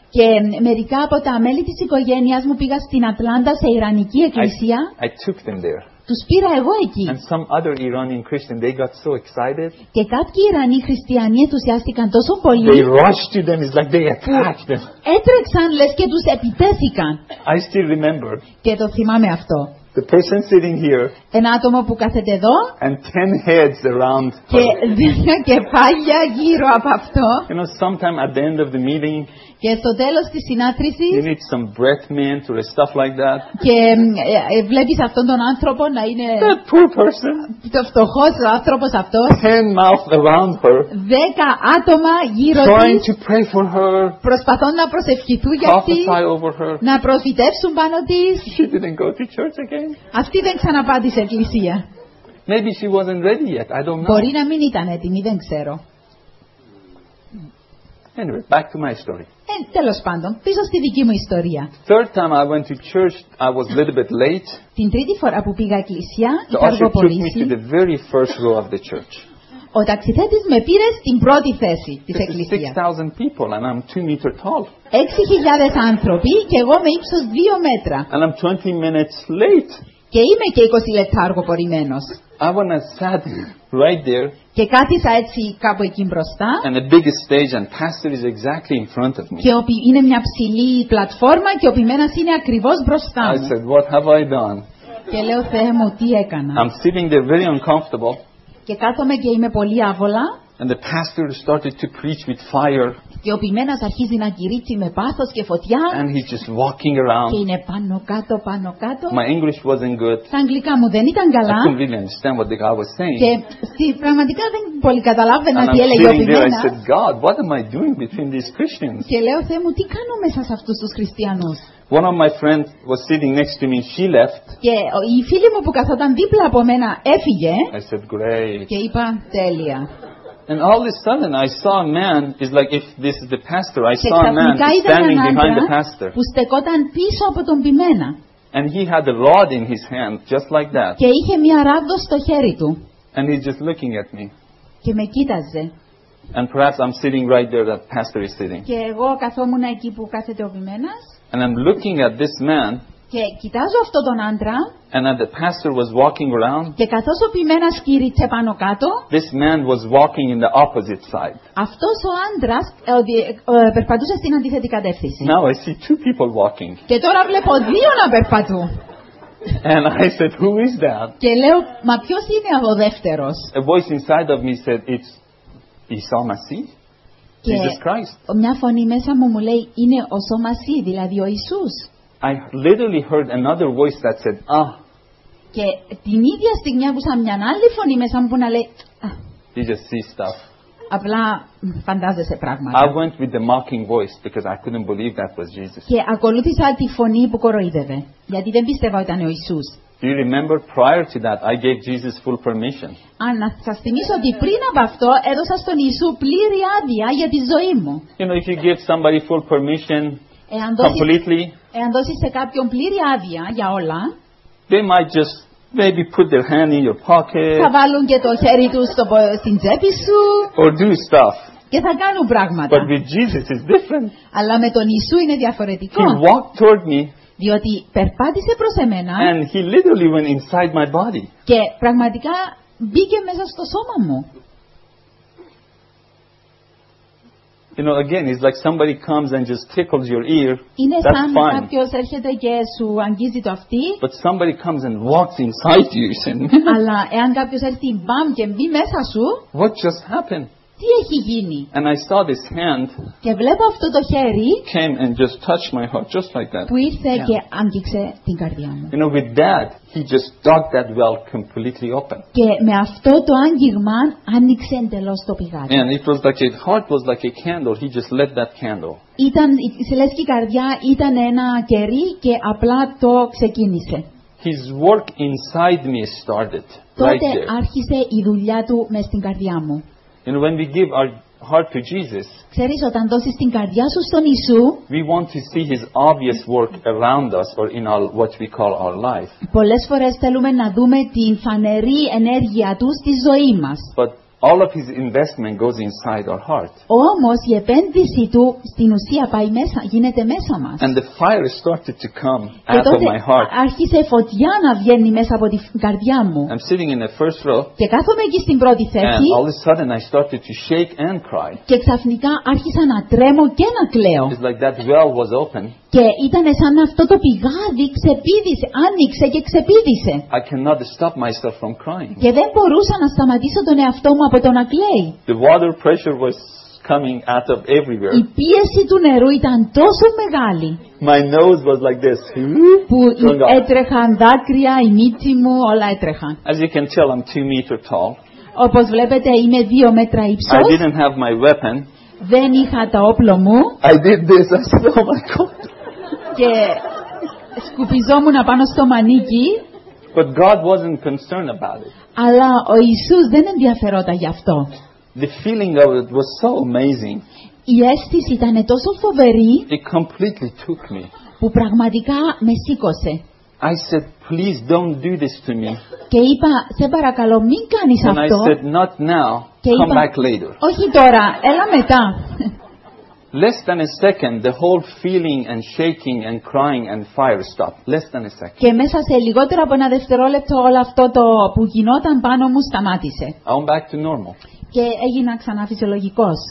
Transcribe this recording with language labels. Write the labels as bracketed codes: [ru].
[el] Και μερικά από τα μέλη της οικογένειάς μου πήγα στην Ατλάντα σε Ιρανική εκκλησία. [en] I took them there. [el] Τους πήρα εγώ εκεί. [en] And some other Iranian Christian, they got so excited. [el] Και κάποιοι Ιρανοί χριστιανοί ενθουσιάστηκαν τόσο πολύ. [en] They rushed to them, it's like they attacked them. [el] Έτρεξαν λες και τους επιτέθηκαν. [en] I still remember. [el] Και το θυμάμαι αυτό. [en] The person sitting here, [el] ένα άτομο που κάθεται εδώ, [en] and 10 heads around, [el] και δύο κεφάλια γύρω από αυτό. [en] You know, sometime at the end of the meeting, [el] και στο τέλος της συνάντησης, [en] you need some breath mint or stuff like that. [el] Και βλέπεις αυτόν τον άνθρωπο να είναι [en] that poor person, [el] το φτωχός ο άνθρωπος αυτός, [en] 10 mouth around her, [el] 10 άτομα γύρω [en] trying [el] της, [en] to pray for her, [el] προσπαθούν να προσευχηθούν για [en] prophesy over her, [el] να προφητεύσουν πάνω της. [en] She didn't go to church again. [el] Αυτή δεν ξαναπάντησε εκκλησία. [en] Maybe she wasn't ready yet. I don't know. [el] Μπορεί να μην ήταν έτοιμη, δεν ξέρω. [en] Anyway, back to my story. [el] Τέλος πάντων, πίσω στη δική μου ιστορία. [en] Third time I went to church, I was a little bit late. [el] Την τρίτη φορά που πήγα εκκλησία, είχα αργοπορήσει. [en] Took me to the very first row of the church. [el] Ο ταξιθέτης με πήρε στην πρώτη θέση της εκκλησίας. [en] 6,000 people and I'm 2 meters tall. [el] 6,000 άνθρωποι και εγώ με ύψος 2 μέτρα. [en] And I'm 20 minutes late. [el] Και είμαι και 20 λεπτά αργοπορημένος. [en] I sat right there. [el] Και κάθισα έτσι κάπου εκεί μπροστά. [en] And the biggest stage and pastor is exactly in front of me. [el] Και είναι μια ψηλή πλατφόρμα και ο ποιμένας είναι ακριβώς μπροστά μου. [en] I said, what have I done? [el] Και λέω, Θεέ μου, τι έκανα. [en] I'm sitting there very uncomfortable. [el] Και κάθομαι και είμαι πολύ άβολα. [en] And the pastor started to preach with fire. [el] Και ο ποιμένας αρχίζει να κηρύττει με πάθος και φωτιά. [en] And he's just walking around. [el] Και είναι πάνω κάτω, πάνω κάτω. [en] My English wasn't good. [el] Τα αγγλικά μου δεν ήταν καλά. [en] I couldn't really understand what the guy was saying. [el] Και πραγματικά δεν πολύ καταλάβαινα τι έλεγε ο ποιμένας. [en] And I said, God, what am I doing between these Christians? [el] Και λέω, Θεέ μου, τι κάνω μέσα σε αυτούς τους χριστιανούς. [en] One of my friends was sitting next to me. She left. [el] Και η φίλη μου που καθόταν δίπλα από μένα έφυγε. [en] I said, great. [el] Και είπα, τέλεια. [en] And all of a sudden, I saw a man. It's like if this is the pastor. I saw a man standing behind the pastor. [el] Που στεκόταν πίσω από τον ποιμένα. [en] And he had a rod in his hand, just like that. [el] Και είχε μια ράβδο στο χέρι του. [en] And he's just looking at me. [el] Και με κοίταζε. [en] And perhaps I'm sitting right there that pastor is sitting. [el] Και εγώ καθόμουν εκεί που κάθεται ο ποιμένας. [en] And I'm looking at this man. [el] Και κοιτάζω αυτό τον άντρα. [en] And the pastor was walking around. [el] Και καθώς ο ποιμένας κήρυτσε πάνω κάτω. [en] This man was walking in the opposite side. [el] Αυτός ο άντρας περπατούσε στην αντίθετη κατεύθυνση. [en] Now I see two people walking. [el] Και τώρα βλέπω δύο να περπατούν. [en] And I said, who is that? [el] Και λέω, μα ποιος είναι ο δεύτερος? [en] A voice inside of me said, it's Isa Masih. Jesus Christ. [el] Και μια φωνή μέσα μου μου λέει, είναι ο Σωμασί, δηλαδή ο Ιησούς. [en] I literally heard another voice that said, ah. [el] Και την ίδια στιγμή άκουσα μια άλλη φωνή μέσα μου που να λέει, ah. [en] You just see stuff. [el] Απλά φαντάζεσαι πράγματα. [en] I went with the mocking voice because I couldn't believe that was Jesus. [el] Και ακολούθησα τη φωνή που κοροϊδεύε, γιατί δεν πίστευα ότι ήταν ο Ιησούς. [en] Do you remember prior to that I gave Jesus full permission? [el] Να σας θυμίσω ότι πριν από αυτό έδωσα στον Ιησού πλήρη άδεια για τη ζωή μου. [en] You know, if you give somebody full permission completely, [el] εάν δώσεις σε κάποιον πλήρη άδεια για όλα, [en] they might just maybe put their hand in your pocket. [el] Θα βάλουν και το χέρι του στην τσέπη σου. [en] Or do stuff. [el] Και θα κάνουν πράγματα. [en] But with Jesus it's different. [el] Αλλά με τον Ιησού είναι διαφορετικό. [en] He walked toward me. [el] Διότι περπάτησε προς εμένα. [en] And he literally went inside my body. [el] Και πραγματικά μπήκε μέσα στο σώμα μου. [en] You know, again, it's like somebody comes and just tickles your ear. [el] Είναι [en] that's [el] σαν [en] fine. [el] Κάποιος έρχεται και σου αγγίζει το αυτί. [en] But somebody comes and walks inside you. [el] Αλλά εάν κάποιος έρθει μπαμ και μπει μέσα σου. [en] What just happened? [el] Τι έχει γίνει? [en] And I saw this hand. [el] Και βλέπω αυτό το χέρι. [en] Came and just touched my heart, just like that. [el] Που ήρθε και άγγιξε την καρδιά μου. [en] You know, with that, he just dug that well completely open. [el] Και με αυτό το άγγιγμα άνοιξε εντελώς το πηγάδι. [en] And it was like his heart was like a candle. He just lit that candle. [el] Ήταν, σε λες και η καρδιά ήταν ένα κερί και απλά το ξεκίνησε. [en] His work inside me started. [el] Τότε [en] right there. [el] Άρχισε η δουλειά του μες στην καρδιά μου. [en] And when we give our heart to Jesus, [el] ξέρεις, όταν δώσεις την καρδιά σου στον Ιησού, [en] we want to see His obvious work around us or in all what we call our life. [el] Πολλές φορές θέλουμε να δούμε την φανερή ενέργεια του στη ζωή μας. [en] But all of His investment goes inside our heart. [el] Όμως η επένδυση του στην ουσία πάει μέσα, γίνεται μέσα μας. [en] And the fire started to come out of my heart. [el] Και τότε άρχισε φωτιά να βγαίνει μέσα από την καρδιά μου. [en] I'm sitting in the first row. [el] Και κάθομαι εκεί στην πρώτη θέση. [en] And all of a sudden I started to shake and cry. [el] Και ξαφνικά άρχισα να τρέμω και να κλαίω. [en] It's like that well was open. [el] Και ήταν σαν αυτό το πηγάδι ξεπίδησε, άνοιξε και ξεπίδησε. [en] I cannot stop myself from crying. [el] Και δεν μπορούσα να σταματήσω τον εαυτό μου από το να κλαίει. [en] The water pressure was coming out of everywhere. [el] Η πίεση του νερού ήταν τόσο μεγάλη. [en] My nose was like this. [el] Που έτρεχαν δάκρυα, η μύτη μου, όλα έτρεχαν. [en] As you can tell, I'm 2 meters tall. [el] Όπως βλέπετε, είμαι 2 μέτρα ύψος. [en] I didn't have my weapon. [el] Δεν είχα το όπλο μου. [en] I did this. I said, oh my God. [el] Και σκουπιζόμουν πάνω στο μανίκι. [en] But God wasn't concerned about it. [el] Αλλά ο Ιησούς δεν ενδιαφερόταν γι' αυτό. [en] The feeling of it was so amazing. [el] Η αίσθηση ήταν τόσο φοβερή. [en] It completely took me. [el] Που πραγματικά με σήκωσε. [en] I said, please don't do this to me. [el] Και είπα, σε παρακαλώ, μην κάνεις [en] and [el] αυτό. [en] I said, not now. [el] Και [en] come [el] είπα, [en] back later. [el] Όχι τώρα, έλα μετά. [en] Less than a second, the whole feeling and shaking and crying and fire stopped. Less than a second. [el] Και μέσα σε λιγότερο από ένα δευτερόλεπτο όλο αυτό το που γινόταν πάνω μου σταμάτησε. [en] I'm back to normal. [el] Και έγινα ξανά φυσιολογικός.